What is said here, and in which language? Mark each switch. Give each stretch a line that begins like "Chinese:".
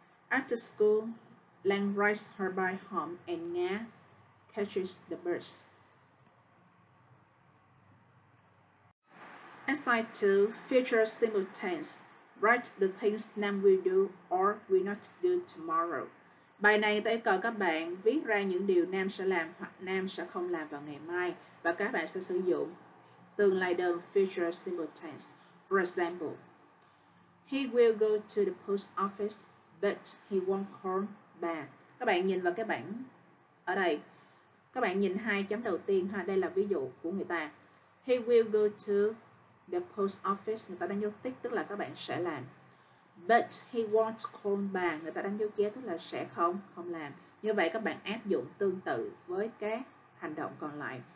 English: After school, Lang rides her bike home and Nga catches the bus. Exercise 2, future simple tense. write the things Nam will do or will not do tomorrow.
Vietnamese: Bài này tôi yêu cầu các bạn viết ra những điều Nam sẽ làm hoặc Nam sẽ không làm vào ngày mai và các bạn sẽ sử dụng tương lai đơn future simple tense.
English: For example, he will go to the post office, but he won't call back.
Vietnamese: Các bạn nhìn vào cái bảng ở đây. Các bạn nhìn hai chấm đầu tiên ha. Đây là ví dụ của người ta.
English: He will go to the post office.
Vietnamese: Người ta đang dấu tích, tức là các bạn sẽ làm.
English: But he won't call back.
Vietnamese: Người ta đang dấu ghé, tức là sẽ không, không làm. Như vậy các bạn áp dụng tương tự với các hành động còn lại.